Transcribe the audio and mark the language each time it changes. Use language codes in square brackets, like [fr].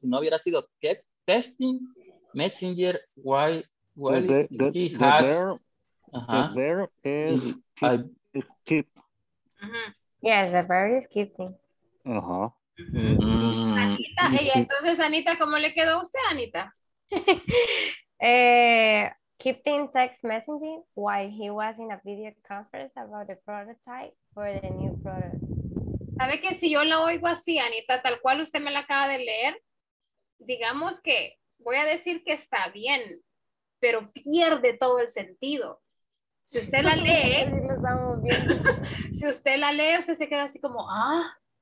[en] Si no hubiera sido testing, messenger, why well, he has. The verb is keep. Uh-huh. Yes, the verb is keeping. [es] Anita, hey, entonces Anita, ¿cómo le quedó a usted, Anita? [en] Keeping text messaging while he was in a video conference about the prototype for the new product. [es] ¿Sabe que si yo lo oigo así, Anita, tal cual usted me la acaba de leer, digamos que voy a decir que está bien, pero pierde todo el sentido. Si usted la lee, si usted la lee, usted se queda así como, ah.